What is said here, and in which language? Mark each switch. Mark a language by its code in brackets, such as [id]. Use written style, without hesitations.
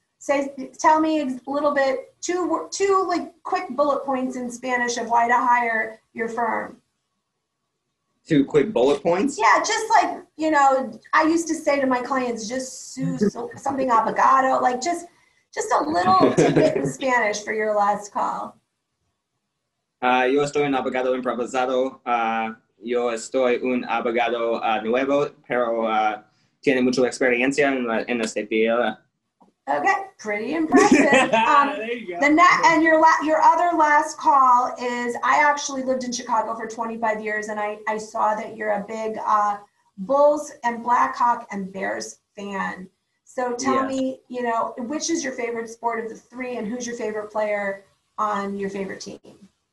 [en] Say, tell me a little bit, two like quick bullet points in Spanish of why to hire your firm. Two quick bullet points? Yeah, just like, you know, I used to say to my clients, just something abogado, like just a little tidbit in Spanish for your last call. [es] Yo estoy un abogado improvisado. Yo estoy un abogado nuevo, pero tiene mucha experiencia en este field. [en] Okay, pretty impressive. there you go. And your other last call is, I actually lived in Chicago for 25 years, and I saw that you're a big Bulls and Blackhawk and Bears fan. So tell me, you know, which is your favorite sport of the three, and who's your favorite player on your favorite team?